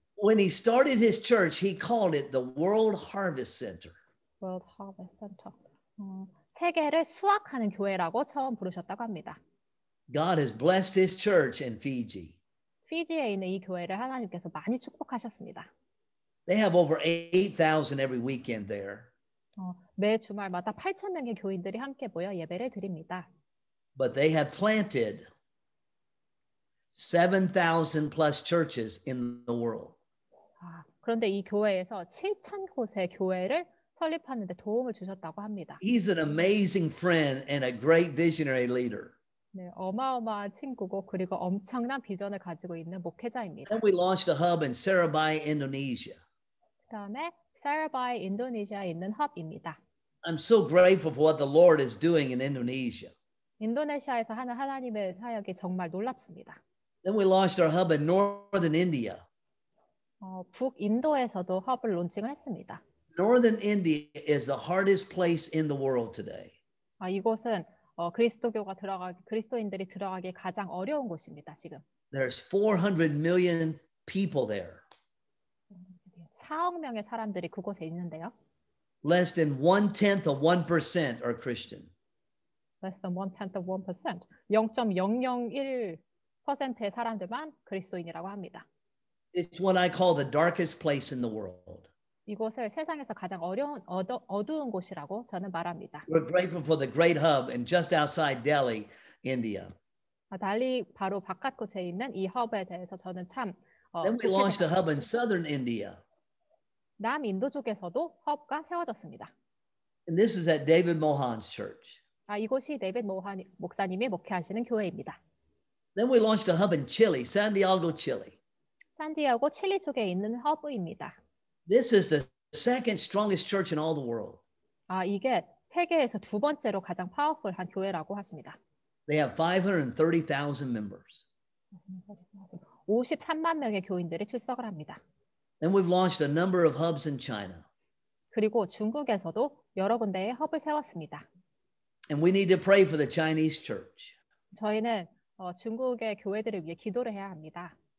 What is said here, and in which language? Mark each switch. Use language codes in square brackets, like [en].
[en] When he started his church, he called it the World Harvest Center. World Harvest Center. [ko] 세계를 수확하는 교회라고 처음 부르셨다고 합니다. [en] God has blessed his church in Fiji. [ko] 피지에 있는 이 교회를 하나님께서 많이 축복하셨습니다. [en] They have over 8,000 every weekend there. [ko] 매 주말마다 8천 명의 교인들이 함께 모여 예배를 드립니다. [en] But they have planted 7,000 plus churches in the world. [ko] 그런데 이 교회에서 7천 곳의 교회를 설립하는 데 도움을 주셨다고 합니다. [en] He's an amazing friend and a great visionary leader. [ko] 네, 어마어마한 친구고 그리고 엄청난 비전을 가지고 있는 목회자입니다. [en] Then we launched a hub in Sarabaya, Indonesia. [ko] 그 다음에 Sarabaya, 인도네시아에 있는 헙입니다. [en] I'm so grateful for what the Lord is doing in Indonesia. [ko] 인도네시아에서 하는 하나님의 사역이 정말 놀랍습니다. [en] Then we launched our hub in Northern India. [ko] 북인도에서도 헙을 론칭을 했습니다. [en] Northern India is the hardest place in the world today. [ko] 이곳은 그리스도교가 들어가기 그리스도인들이 들어가기 가장 어려운 곳입니다, 지금. [en] There's 400 million people there. [ko] 4억 명의 사람들이 그곳에 있는데요. [en] Less than 1/10 of 1% are Christian. Less than 1/10 of 1%. [ko] 0.001%의 사람들만 그리스도인이라고 합니다. [en] It's what I call the darkest place in the world. [ko] 이곳을 세상에서 가장 어려운 어두운 곳이라고 저는 말합니다. [en] We're grateful for the great hub and just outside Delhi, India. [ko] 달리 바로 바깥 곳에 있는 이 허브에 대해서 저는 참 [en] Then we launched a hub in southern India. [ko] 남 인도 쪽에서도 허브가 세워졌습니다. [en] And this is at David Mohan's church. [ko] 이곳이 데이빗 모한 목사님이 목회하시는 교회입니다. [en] Then we launched a hub in Chile, Santiago, Chile. [ko] 산디에고 칠리 쪽에 있는 허브입니다. [en] This is the second strongest church in all the world. [ko] 이게 세계에서 두 번째로 가장 파워풀한 교회라고 하십니다. [en] They have 530,000 members. [ko] 53만 명의 교인들이 출석을 합니다. [en] Then we've launched a number of hubs in China. [ko] 그리고 중국에서도 여러 군데의 헙을 세웠습니다. [en] And we need to pray for the Chinese church. [ko] 저희는 중국의 교회들을 위해 기도를 해야 합니다.